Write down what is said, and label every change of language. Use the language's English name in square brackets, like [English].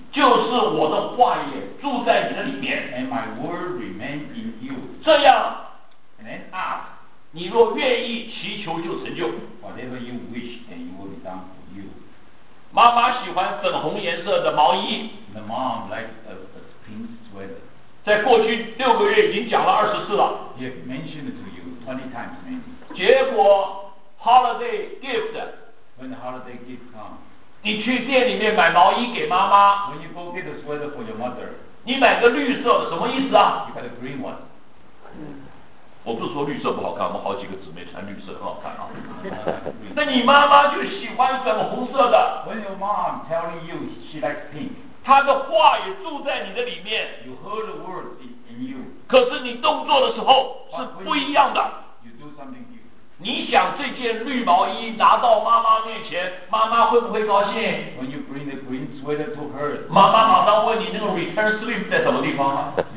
[Chinese] 就是我的话也住在你的里面。 [English] And my word remain in you. [Chinese] 这样。 [English] And then ask, [Chinese] 你若愿意祈求就成就。 [English] Whatever you wish, then it will be done for you. [Chinese] 妈妈喜欢粉红颜色的毛衣。 [English] The mom likes a pink sweater. [Chinese] 在过去六个月已经讲了24了。 [English] He has mentioned it to you 20 times maybe. [Chinese] 结果 holiday gift, [English] When the holiday gift comes, [Chinese] 你去店里面买毛衣给妈妈。 [English] When you go get a sweater for your mother, [Chinese] 你买个绿色的，什么意思啊？ [English] You got a green one. [Chinese] 我不是说绿色不好看，我们好几个姊妹穿绿色很好看啊。那你妈妈就喜欢粉红色的。 [English] When your mom telling you she likes pink, [Chinese] 她的话也住在你的里面。 [English] You heard the words in you. [Chinese] 可是你动作的时候是不一样的。 [English] You do something new. [Chinese] 你想这件绿毛衣拿到妈妈面前，妈妈会不会高兴？ [English] When you bring the green sweater to her, [Chinese] 妈妈马上问你那个 return slip 在什么地方吗？